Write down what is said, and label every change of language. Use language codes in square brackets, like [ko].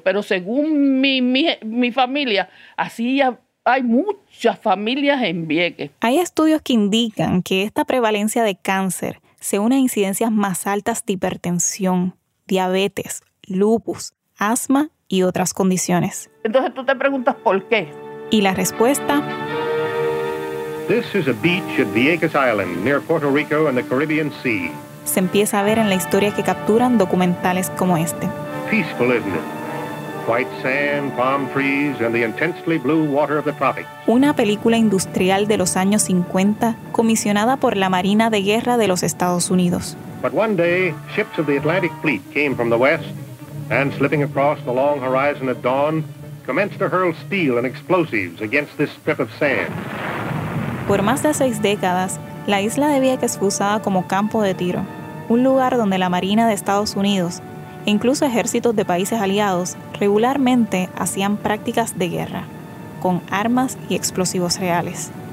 [es] Pero según mi familia, así ya hay muchas familias en Vieques. Hay estudios que indican que esta prevalencia de cáncer se une a incidencias más altas de hipertensión, diabetes, lupus, asma y otras condiciones. Entonces tú te preguntas por qué. Y la respuesta. [en] This is a beach at Vieques Island near Puerto Rico and the Caribbean Sea. [es] Se empieza a ver en la historia que capturan documentales como este. [en] Peaceful, isn't it? White sand, palm trees, and the intensely blue water of the tropics. [es] Una película industrial de los años 50, comisionada por la Marina de Guerra de los Estados Unidos. [en] But one day, ships of the Atlantic fleet came from the west, and slipping across the long horizon at dawn, commenced to hurl steel and explosives against this strip of sand. [es] Por más de 6 décadas, la isla de Vieques fue usada como campo de tiro, un lugar donde la Marina de Estados Unidos e incluso ejércitos de países aliados regularmente hacían prácticas de guerra, con armas y explosivos reales.